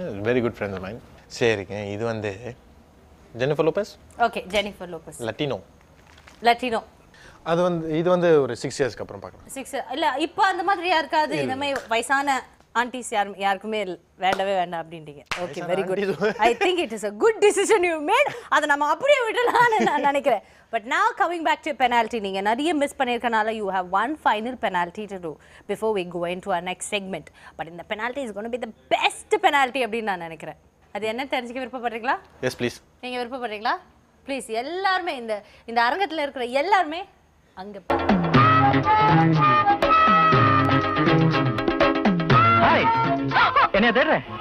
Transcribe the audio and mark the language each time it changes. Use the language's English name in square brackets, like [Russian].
[English] Very good friends of mine. [Tamil] சரிங்க, இது வந்து [English] Jennifer Lopez. Okay, Jennifer Lopez Latino. Latino [Tamil] அது வந்து இது வந்து ஒரு 6 இயர்ஸ்க்கு அப்புறம் பார்க்கலாம். 6 இல்ல, இப்போ அந்த மாதிரி யாருக்காவது இந்த மாதிரி வயசான ஆண்டிஸ் யாரும் யாருக்குமே வேண்டவே வேண்டாம் அப்படின்றீங்க. [English] Okay, very good. I think it is a good decision you made. [Tamil] அத நாம அப்படியே விடலாம்னு நான் நினைக்கிறேன். [English] but now coming back to penalty, [Tamil] நீங்க நிறைய miss பண்ணிருக்கனால [English] you have one final penalty to do before we go into our next segment. But [Tamil] இந்த [English] penalty is going to be the best penalty [Tamil] அப்படின்னு நான் நினைக்கிறேன். அது என்ன தெரிஞ்சுக்க விருப்பப்படுறீங்களா? [English] Yes please. [Tamil] நீங்க விருப்பப்படுறீங்களா? ப்ளீஸ், எல்லாருமே இந்த இந்த அரங்கத்தில் இருக்கிற எல்லாருமே அங்க. ஹாய், என்ன தேடுற?